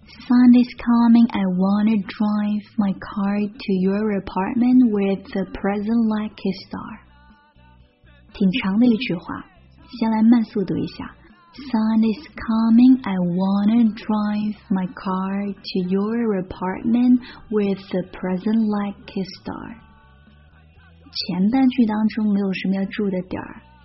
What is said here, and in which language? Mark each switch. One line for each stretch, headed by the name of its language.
English: Sunday's coming, I wanna drive my car to your apartment where the present like a star.
Chinese: 挺长的一句话，先来慢速读一下。
English: Sunday's coming, I wanna drive my car to your apartment where the present like a star.
Chinese: 前半句当中没有什么要注的点儿。